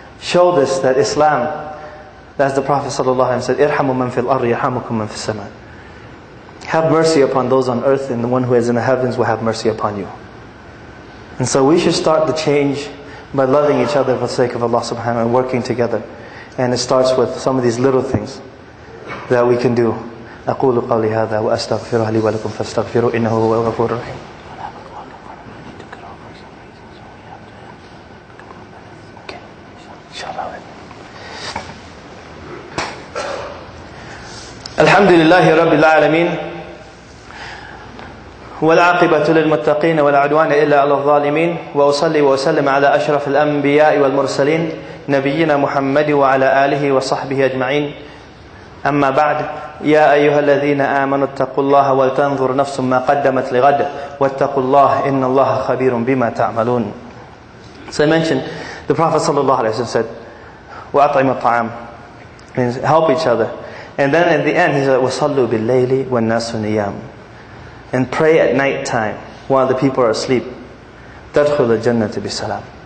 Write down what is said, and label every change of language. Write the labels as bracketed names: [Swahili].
[English] showed us that Islam, as the Prophet sallallahu alaihi wasallam said, [Arabic] "Irhamu man fil ardi yarhamukum man fis sama." [English] Have mercy upon those on earth, and the one who is in the heavens will have mercy upon you. And so we should start the change by loving each other for the sake of Allah subhanahu wa ta'ala and working together. And it starts with some of these little things that we can do. [Arabic] أقول قولي هذا وأستغفر لي ولكم فاستغفروا إنه هو الغفور الرحيم. الحمد لله رب العالمين والعاقبة للمتقين ولا عدوان إلا على الظالمين وأصلي وأسلم على أشرف الأنبياء والمرسلين نبينا محمد وعلى آله وصحبه أجمعين أما بعد يا أيها الذين آمنوا اتقوا الله ولتنظر نفس ما قدمت لغد واتقوا الله إن الله خبير بما تعملون. [English] So I mentioned the Prophet صلى الله عليه وسلم said [Arabic] وأطعم الطعام, [English] means help each other. And then at the end he said, [Arabic] وَصَلُّوا بِاللَّيْلِ وَالنَّاسُ نِيَامُ, [English] and pray at night time while the people are asleep. [Arabic] تَدْخُلَ الْجَنَّةِ بِسَلَامُ.